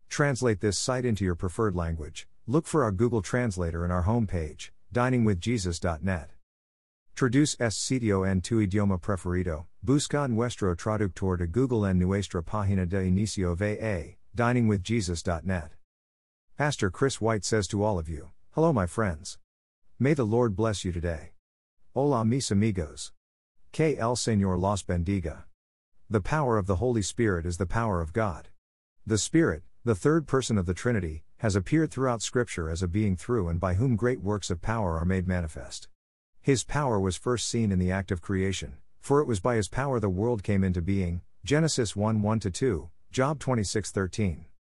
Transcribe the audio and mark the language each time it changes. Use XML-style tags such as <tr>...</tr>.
<en>Translate this site into your preferred language. Look for our Google Translator in our homepage, diningwithjesus.net.</en> <es>Traduce este sitio en tu idioma preferido, busca nuestro traductor de Google en nuestra página de inicio VA, diningwithjesus.net.</es> <en>Pastor Chris White says to all of you, hello my friends. May the Lord bless you today.</en> <es>Hola mis amigos. Que el Señor los bendiga.</es> <en>The power of the Holy Spirit is the power of God. The Spirit, the third person of the Trinity, has appeared throughout Scripture as a being through and by whom great works of power are made manifest. His power was first seen in the act of creation, for it was by His power the world came into being, Genesis 1:1-2, Job 26:13.</en>